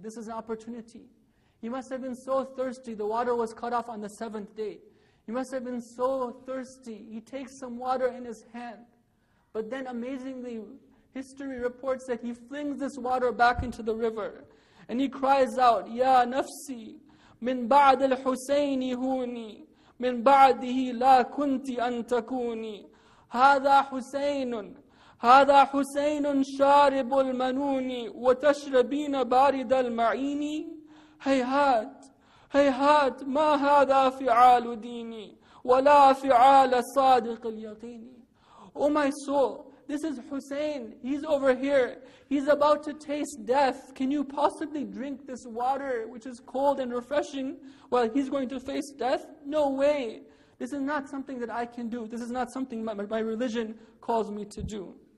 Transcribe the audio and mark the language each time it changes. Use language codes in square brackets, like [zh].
[en] This is an opportunity. He must have been so thirsty, the water was cut off on the seventh day. He must have been so thirsty, he takes some water in his hand. But then amazingly, history reports that he flings this water back into the river. And he cries out, [ar] Ya nafsi, min ba'd al-Husayni huni, من بعده لا كنت أن تكوني هذا حسين هذا حسين شارب المنون وتشربين بارد المعين هيهات هيهات ما هذا فعال ديني ولا فعال صادق اليقين. [en] Oh my soul, this is Hussein. He's over here. He's about to taste death. Can you possibly drink this water, which is cold and refreshing, while he's going to face death? No way. This is not something that I can do. This is not something my religion calls me to do.